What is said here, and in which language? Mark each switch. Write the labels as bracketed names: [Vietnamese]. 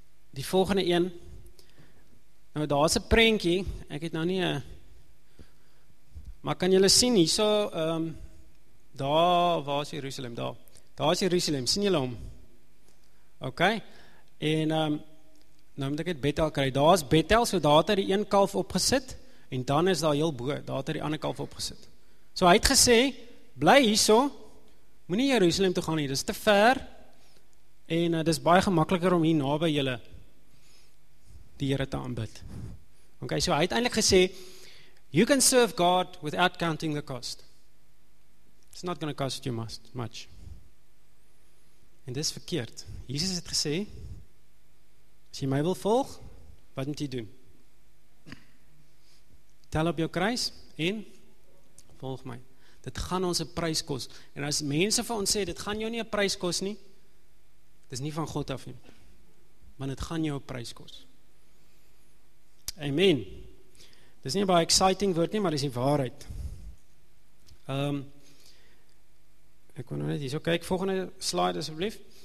[Afrikaans] Die volgende een, nou daar is een prentjie, ek het nou nie, maar kan julle sien hier so, daar, waar is Jerusalem, daar? Daar is Jerusalem, sien julle om? Ok, en nou moet ek het Bethel kry, daar is Bethel, so daar het hy die een kalf opgesit, en dan is daar heel boe, daar het hy die ander kalf opgesit. So hy het gesê, bly hier so, moet nie Jerusalem toe gaan nie, dit is te ver, en dit is baie gemakkeliker om hier na by julle die Here te aanbid. Ok, so hy het eindelijk gesê, [English] you can serve God without counting the cost. It's not going to cost you much. [Afrikaans] En dit is verkeerd. Jesus het gesê, as jy my wil volg, wat moet jy doen? Tel op jou kruis en volg my. Dit gaan ons 'n prys kos. En as mense vir ons sê, dit gaan jou nie 'n prys kos nie, dit is nie van God af nie. Want dit gaan jou 'n prys kos. Amen. Dit is nie baie exciting woord nie, maar dit is die waarheid. Ek wil nou net hier so kyk, volgende slide asseblief.